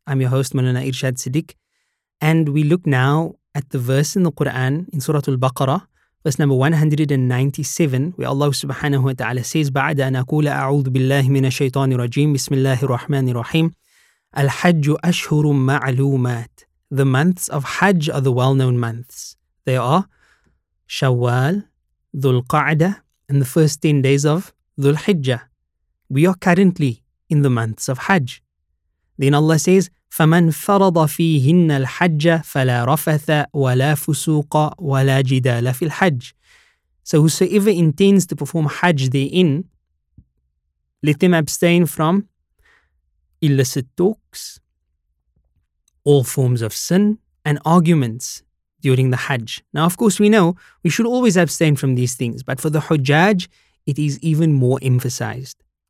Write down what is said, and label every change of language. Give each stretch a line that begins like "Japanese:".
English: I'm your host, Manana Irshad Siddiq. And we look now at the verse in the Quran, in Surah Al-Baqarah, verse number 197, where Allah subhanahu wa ta'ala says,
Arabic: بعد أن أقول أعوذ بالله من الشيطان الرجيم بسم الله الرحمن الرحيم الحج أشهر معلومات.
English: The months of Hajj are the well-known months. They are Shawwal, Dhul Qa'dah, and the first 10 days of Dhul Hijjah. We are currently in the months of Hajj. Then Allah says,
Arabic: فَمَنْ فَرَضَ فِيهِنَّ الْحَجَّ فَلَا رَفَثَ وَلَا فُسُوقَ وَلَا جِدَالَ فِي الْحَجِّ.
English: So whosoever intends to perform Hajj therein, let them abstain from illicit talks, all forms of sin, and arguments during the Hajj. Now, of course, we know we should always abstain from these things, but for the Hujjaj, it is even more emphasized.